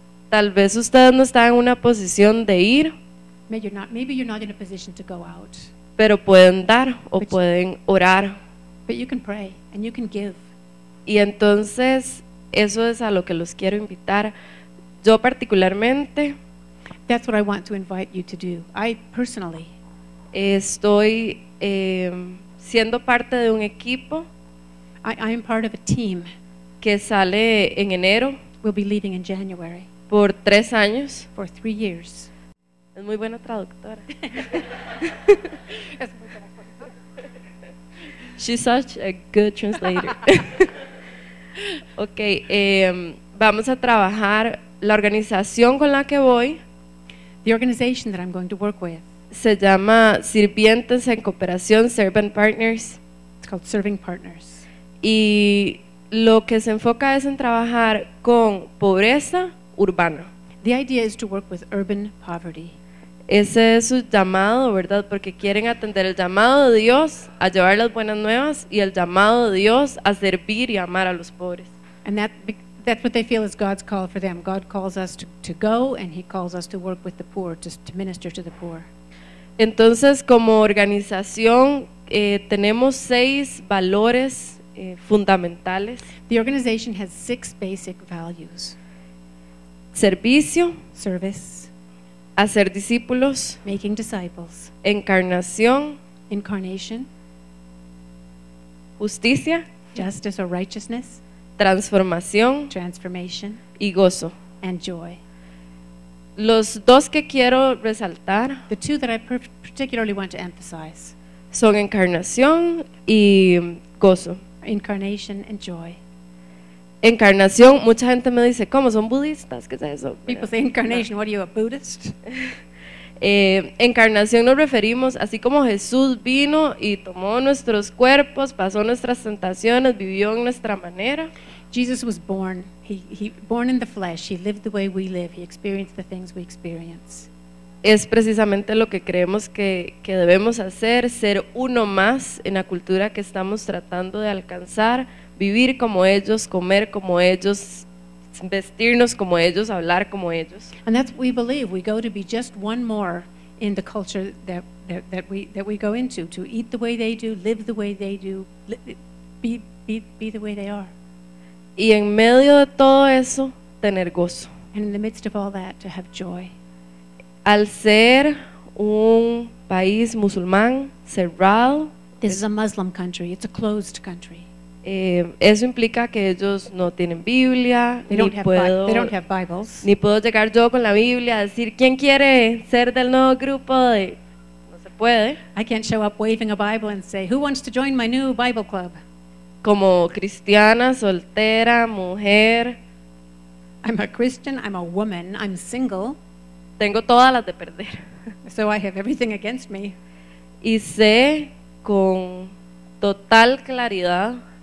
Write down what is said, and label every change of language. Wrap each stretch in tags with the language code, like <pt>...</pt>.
<es>Tal vez ustedes no están en una posición de ir,</es> <en>maybe you're not in a position to go out.</en> <es>Pero pueden dar o pueden orar.</es> <en>But you can pray and you can give.</en> <es>Y entonces eso es a lo que los quiero invitar. Yo particularmente,</es> <en>That's what I want to invite you to do. I personally</en> <es>estoy siendo parte de un equipo.</es> <en>I am part of a team</en> <es>que sale en enero.</es> <en>We'll be leaving in January.</en> <es>Por 3 años.</es> <en>For 3 years.</en> <es>Es muy buena traductora.</es> <en>She's such a good translator.</en> <es>Okay, vamos a trabajar la organización con la que voy.</es> <en>The organization that I'm going to work with.</en> <es>Se llama Sirvientes en Cooperación, Servant Partners.</es> <en>It's called Serving Partners.</en> <es>Y lo que se enfoca es en trabajar con pobreza urbana.</es> <en>The idea is to work with urban poverty.</en> <es>Ese es su llamado, ¿verdad? Porque quieren atender el llamado de Dios a llevar las buenas nuevas y el llamado de Dios a servir y amar a los pobres.</es> <en>And that's what they feel is God's call for them. God calls us to go and he calls us to work with the poor, to minister to the poor.</en> <es>Entonces, como organización, tenemos 6 valores fundamentales.</es> <en>The organization has 6 basic values.</en> <es>Servicio.</es> <en>Service.</en> <es>Hacer discípulos.</es> <en>Making disciples.</en> <es>Encarnación.</es> <en>Incarnation.</en> <es>Justicia.</es> <en>Justice or righteousness.</en> <es>Transformación.</es> <en>Transformation.</en> <es>Y gozo.</es> <en>And joy.</en> <es>Los 2 que quiero resaltar.</es> <en>The 2 that I particularly want to emphasize.</en> <es>Son encarnación y gozo.</es> <en>Incarnation and joy.</en> <es>Encarnación, mucha gente me dice, ¿cómo son budistas? ¿Qué es eso?</es> <en>People say incarnation, what are you, a Buddhist?</en> <es>Encarnación nos referimos, así como Jesús vino y tomó nuestros cuerpos, pasó nuestras tentaciones, vivió en nuestra manera.</es> <en>Jesus was born, he born in the flesh, he lived the way we live, he experienced the things we experience.</en> <es>Es precisamente lo que creemos que debemos hacer, ser uno más en la cultura que estamos tratando de alcanzar. Vivir como ellos, comer como ellos, vestirnos como ellos, hablar como ellos.</es> <en>And that's what we believe. We go to be just one more in the culture that we go into, to eat the way they do, live the way they do, be the way they are.</en> <es>Y en medio de todo eso, tener gozo.</es> <en>And in the midst of all that, to have joy.</en> <es>Al ser un país musulmán cerrado.</es> <en>This is a Muslim country. It's a closed country.</en> <es>Eso implica que ellos no tienen Biblia, ni puedo llegar yo con la Biblia a decir quién quiere ser del nuevo grupo de, no se puede.</es> <en>I can't show up waving a Bible and say who wants to join my new Bible club.</en> <es>Como cristiana, soltera, mujer.</es> <en>I'm a Christian, I'm a woman, I'm single.</en> <es>Tengo todas las de perder.</es> <en>So I have everything against me.</en> <es>Y sé con total claridad.</es>